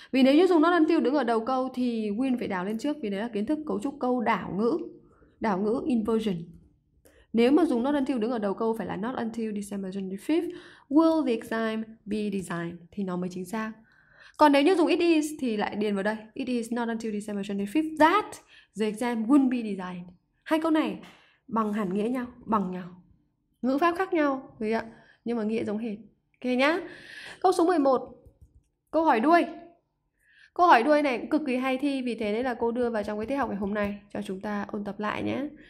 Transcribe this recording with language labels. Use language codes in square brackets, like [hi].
[vi] Vì nếu như dùng [en] not until [vi] đứng ở đầu câu thì will phải đảo lên trước, vì đấy là kiến thức cấu trúc câu đảo ngữ. Đảo ngữ inversion. Nếu mà dùng [en] not until [vi] đứng ở đầu câu phải là [en] not until December 25th will the exam be designed [vi] thì nó mới chính xác. Còn nếu như dùng [en] it is [vi] thì lại điền vào đây. [en] It is not until December 25th that the exam will be designed. [vi] Hai câu này bằng hẳn nghĩa nhau, bằng nhau. Ngữ pháp khác nhau, thấy ạ? Nhưng mà nghĩa giống hệt. Ok nhá. Câu số 11. Câu hỏi đuôi. Câu hỏi đuôi này cũng cực kỳ hay thi, vì thế nên là cô đưa vào trong cái tiết học ngày hôm nay cho chúng ta ôn tập lại nhé.